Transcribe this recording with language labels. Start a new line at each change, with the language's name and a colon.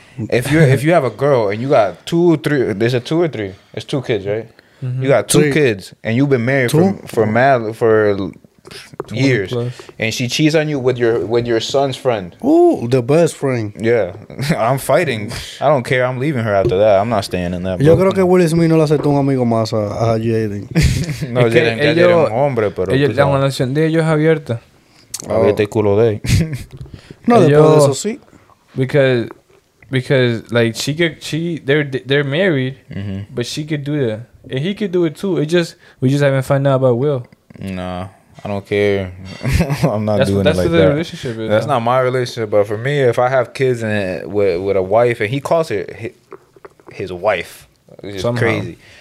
English: If you have a girl and you got two kids, right? Mm-hmm. You got three kids and you've been married for years, and she cheats on you with your son's friend. Ooh, the best friend. Yeah, I'm fighting. I don't care. I'm leaving her after that. I'm not staying in that.
Spanish: Yo creo que Will Smith no le aceptó un amigo más a Jaden. No, Jaden es un hombre, pero ellos están en la relación de ellos abierta. Abierta el culo de no, después de eso sí.
English: Because like they're married, mm-hmm. but she could do that and he could do it too. It just we just haven't found out about Will. Nah. I don't care. I'm not doing it like that. That's what the relationship is. That's not my relationship. But for me, if I have kids and with a wife, and he calls her his wife, it's just crazy.